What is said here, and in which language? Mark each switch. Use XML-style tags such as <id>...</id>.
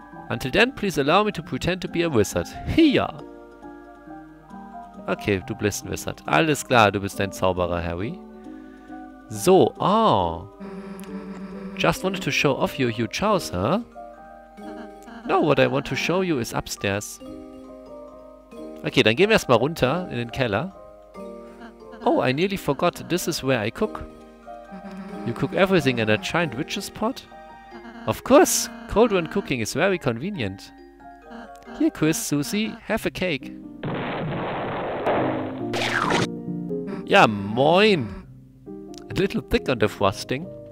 <en>Until then, please allow me to pretend to be a wizard. Hiya!</en> <de>Okay, du bist ein Wizard. Alles klar, du bist ein Zauberer, Harry. So, oh.</de> <en>Just wanted to show off your huge house, huh? No, what I want to show you is upstairs.</en> <de>Okay, dann gehen wir erstmal runter in den Keller.</de> <en>Oh, I nearly forgot. This is where I cook. You cook everything in a giant witch's pot? Of course. Cauldron cooking is very convenient. Here, Chris, Susie, have a cake.</en> <de>Ja, moin.</de> <en>A little thick on the frosting.</en>